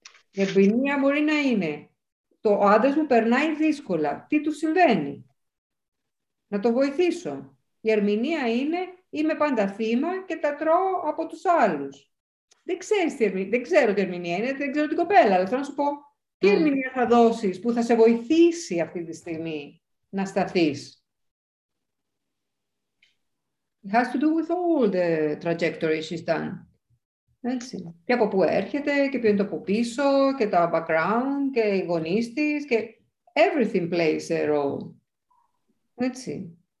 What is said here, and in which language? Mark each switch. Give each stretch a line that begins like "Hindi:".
Greek: Η ερμηνεία μπορεί να είναι, το άντρας μου περνάει δύσκολα, τι του συμβαίνει, να το βοηθήσω. Η ερμηνεία είναι, είμαι πάντα θύμα και τα τρώω από τους άλλους. Δεν ξέρω τι ερμηνεία είναι, δεν ξέρω την κοπέλα, αλλά θέλω να σου πω, τι ερμηνεία θα δώσεις που θα σε βοηθήσει αυτή τη στιγμή να σταθείς.
English: It has to do with all the trajectory she's done.
Greek: Έτσι. Και από πού έρχεται και ποιο είναι το από πίσω και τα background και οι γονείς της και
English: everything plays a role.
Greek: Έτσι.